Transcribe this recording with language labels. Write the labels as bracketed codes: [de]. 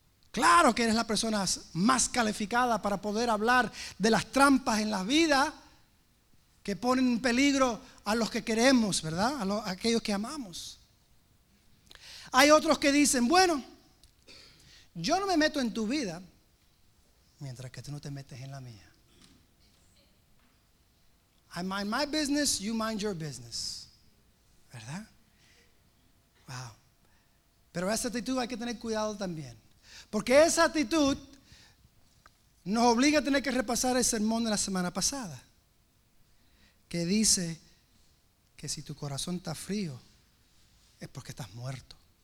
[es] Claro que eres la persona más calificada para poder hablar de las trampas en la vida que ponen en peligro a los que queremos, ¿verdad? A aquellos que amamos. Hay otros que dicen, bueno, yo no me meto en tu vida mientras que tú no te metes en la mía. [en] I mind my business, you mind your business. [es] ¿Verdad? Wow. Pero esa actitud hay que tener cuidado también. Porque esa actitud nos obliga a tener que repasar el sermón de la semana pasada, que dice que si tu corazón está frío es porque estás muerto.